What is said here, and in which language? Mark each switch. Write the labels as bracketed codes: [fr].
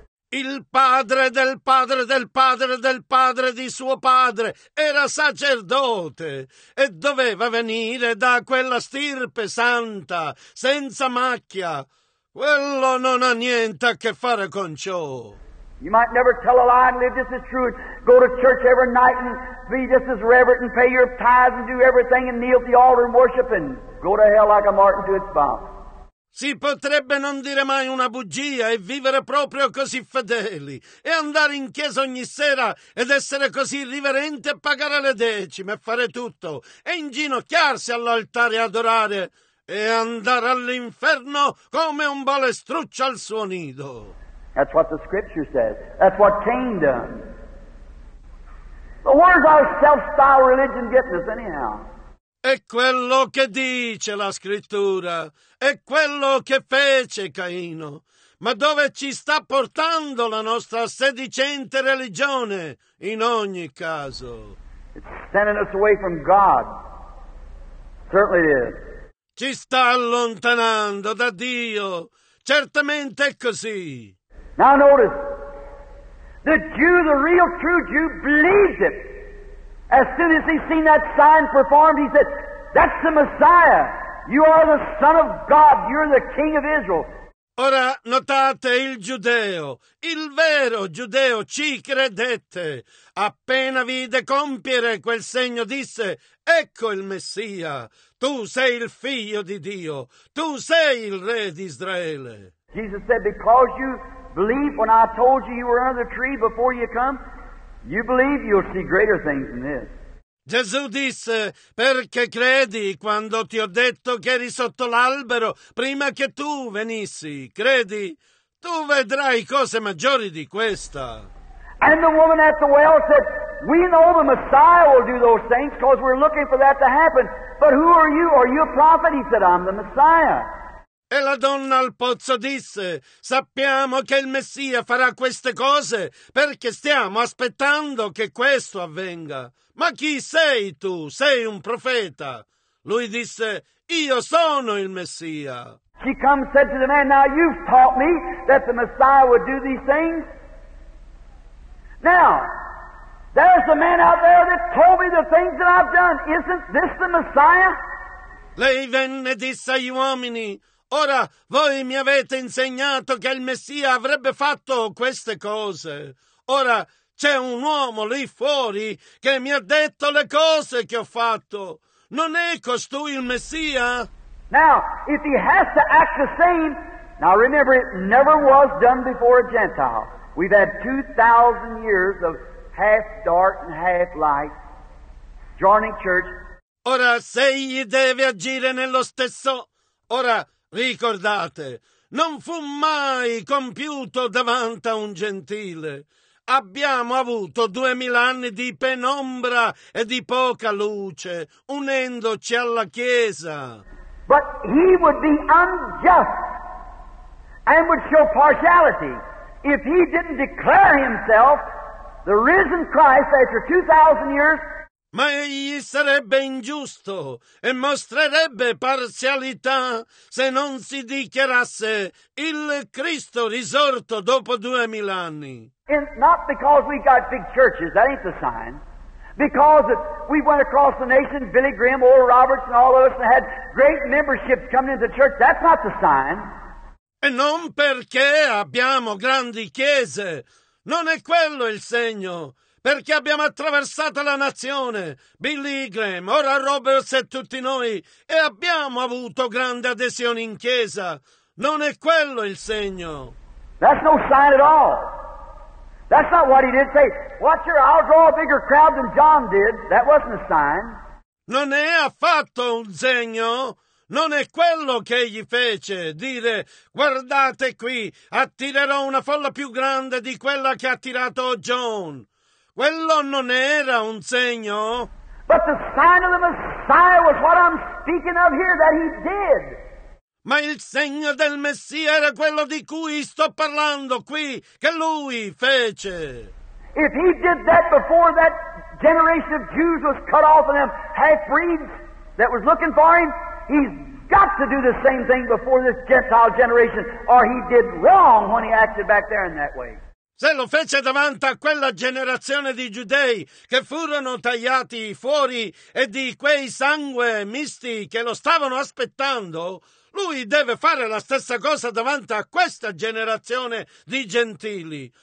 [it] Il padre del padre del padre del padre di suo padre era sacerdote e doveva venire da quella stirpe santa, senza macchia. Quello non ha niente a che fare con ciò. [en] You might never tell a lie and live just as true. Go to church every night and be just as reverent and pay your tithes and do everything and kneel at the altar and worship and go to hell like a martin to its bonfire. [it] Si potrebbe non dire mai una bugia e vivere proprio così fedeli e andare in chiesa ogni sera ed essere così riverente e pagare le decime e fare tutto e inginocchiarsi all'altare e adorare e andare all'inferno come un balestruccio al suo nido. [en] That's what the Scripture says. That's what Cain done. But where's our self-style religion getting us anyhow? [it] È quello che dice la Scrittura. È quello che fece Caino. Ma dove ci sta portando la nostra sedicente religione, in ogni caso? [en] It's sending us away from God. Certainly it is. [it] Ci sta allontanando da Dio. Certamente è così. [en] Now notice, the Jew, the real true Jew, believes it. As soon as he's seen that sign performed, he said, that's the Messiah. You are the Son of God. You're the King of Israel. [it] Ora notate, il giudeo, il vero giudeo, ci credette. Appena vide compiere quel segno, disse, ecco il Messia, tu sei il figlio di Dio, tu sei il re di Israele. [en] Jesus said, because you believe when I told you you were under the tree before you come, you believe you'll see greater things than this. [it] Gesù disse, perché credi quando ti ho detto che eri sotto l'albero prima che tu venissi? Credi? Tu vedrai cose maggiori di questa. [en] And the woman at the well said, we know the Messiah will do those things because we're looking for that to happen. But who are you? Are you a prophet? He said, I'm the Messiah. [it] E la donna al pozzo disse, sappiamo che il Messia farà queste cose perché stiamo aspettando che questo avvenga. Ma chi sei tu? Sei un profeta. Lui disse, io sono il Messia. [en] She come and said to the man, now you've taught me that the Messiah would do these things. Now, there's a man out there that told me the things that I've done. Isn't this the Messiah? [it] Lei venne e disse agli uomini, ora voi mi avete insegnato che il Messia avrebbe fatto queste cose. Ora, c'è un uomo lì fuori che mi ha detto le cose che ho fatto. Non è costui il Messia? [en] Now, if he has to act the same, now remember, it never was done before a Gentile. We've had 2,000 years of half dark and half light, joining church. [it] Ora, se egli deve agire nello stesso... Ora, ricordate, non fu mai compiuto davanti a un gentile. Abbiamo avuto 2000 anni di penombra e di poca luce, unendoci alla Chiesa. [en] But he would be unjust and would show partiality if he didn't declare himself the risen Christ after 2000 years. [it] Ma egli sarebbe ingiusto e mostrerebbe parzialità se non si dichiarasse il Cristo risorto dopo 2000 anni. [en] And not because we got big churches, that ain't the sign. Because we went across the nation, Billy Graham, Oral Roberts and all of us, and had great memberships coming into the church, that's not the sign. [it] E non perché abbiamo grandi chiese, non è quello il segno. Perché abbiamo attraversato la nazione, Billy Graham, Oral Roberts e tutti noi, e abbiamo avuto grande adesione in chiesa, non è quello il segno. [en] That's no sign at all. That's not what he did say. Watch here, I'll draw a bigger crowd than John did. That wasn't a sign. [it] Non è affatto un segno. Non è quello che egli fece. Dire, guardate qui, attirerò una folla più grande di quella che ha attirato John. Quello non era un segno. [en] But the sign of the Messiah was what I'm speaking of here, that he did. [it] Ma il segno del Messia era quello di cui sto parlando qui, che lui fece. [en] If he did that before that generation of Jews was cut off and them half-breeds that was looking for him, he's got to do the same thing before this Gentile generation, or he did wrong when he acted back there in that way. [it] Se lo fece davanti a quella generazione di giudei che furono tagliati fuori e di quei sangue misti che lo stavano aspettando, lui deve fare la stessa cosa davanti a questa generazione di gentili.